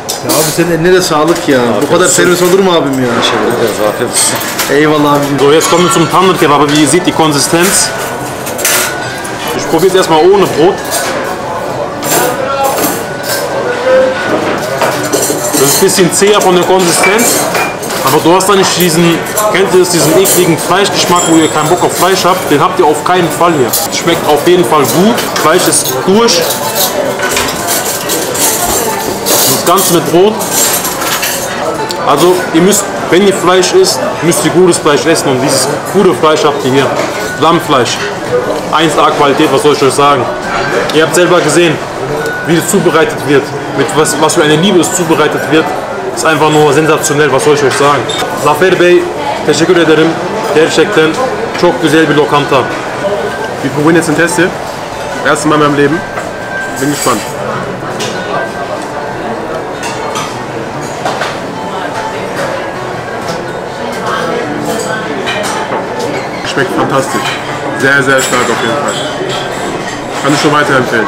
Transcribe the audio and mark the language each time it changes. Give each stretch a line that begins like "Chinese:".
Turkish: Ya abi senin eline de sağlık ya. Afiyet bu kadar servis olur mu abim ya? Eyvallah abim.
German: So, jetzt kommen wir zum Tandır-Kebab. Wie sieht die Konsistenz? Ich probiere es erstmal ohne Brot. Das ist ein bisschen zäher von der Konsistenz. Aber du hast da nicht diesen, kennt ihr das, diesen ekligen Fleischgeschmack, wo ihr keinen Bock auf Fleisch habt, den habt ihr auf keinen Fall hier. Schmeckt auf jeden Fall gut, Fleisch ist durch. Das Ganze mit Brot. Also ihr müsst, wenn ihr Fleisch isst, müsst ihr gutes Fleisch essen und dieses gute Fleisch habt ihr hier. Lammfleisch, 1A Qualität, was soll ich euch sagen. Ihr habt selber gesehen, wie es zubereitet wird, mit was für eine Liebe es zubereitet wird. Ist einfach nur sensationell, was soll ich euch sagen.
Turkish: Zafer Bey, teşekkür ederim. Gerçekten çok güzel bir lokanta.
German: Wir probieren jetzt den Test hier. Erste Mal in meinem Leben. Bin gespannt. Schmeckt fantastisch. Sehr, sehr stark auf jeden Fall. Kann ich schon weiterempfehlen.